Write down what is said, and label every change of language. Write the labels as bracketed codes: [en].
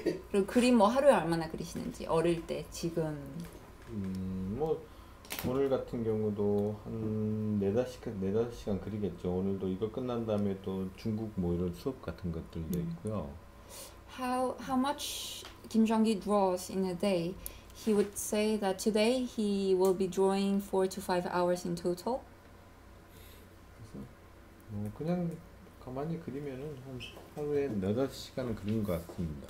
[ko] 그리고 그림 뭐 하루에 얼마나 그리시는지 어릴 때 지금 뭐 오늘 같은 경우도 한 4-5시간 그리겠죠. 오늘도 이거 끝난 다음에 또 중국 뭐 이런 수업 같은 것들도 있고요. [en] How much Kim Jong-gi draws in a day? He would say that today he will be drawing 4-5 hours in total. [ko] 그래서 뭐 그냥 가만히 그리면은 한 하루에 4-5시간은 그린 것 같습니다.